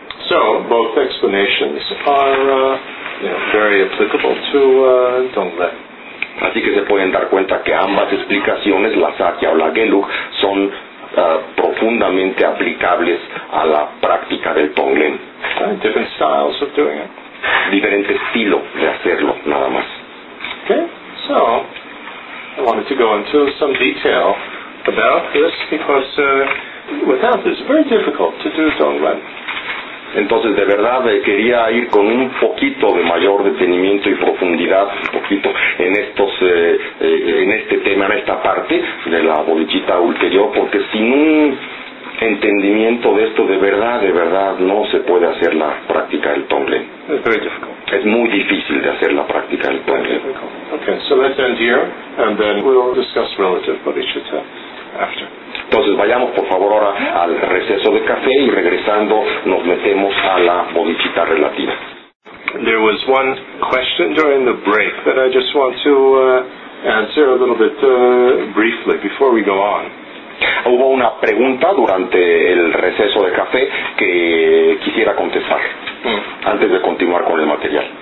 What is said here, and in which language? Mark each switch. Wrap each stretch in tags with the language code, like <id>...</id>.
<en>So, both explanations are very applicable to Tonglen.</en> <es>Así que se pueden dar cuenta que ambas explicaciones, la Sakya o la Geluk, son profundamente aplicables a la práctica del Tonglen.</es> <en>Different styles of doing it.</en> <es>Diferente estilo de hacerlo, nada más.</es> <en>Okay, so I wanted to go into some detail about this because without this, it's very difficult to do Tonglen.</en> <es>Entonces, de verdad, quería ir con un poquito de mayor detenimiento y profundidad, un poquito, en estos, en este tema, en esta parte de la bodichita ulterior, porque sin un entendimiento de esto, de verdad, no se puede hacer la práctica del Tonglen.</es> <en>It's very difficult.</en> <es>Es muy difícil de hacer la práctica del Tonglen.</es> <en>Okay, so let's end here, and then we'll discuss relative bodichita after.</en> <es>Entonces vayamos por favor ahora al receso de café y regresando nos metemos a la bodichita relativa.</es> <en>Okay. There was one question during the break that I just want to answer a little bit briefly before we go on.</en> <es>Hubo una pregunta durante el receso de café que quisiera contestar antes de continuar con el material.</es>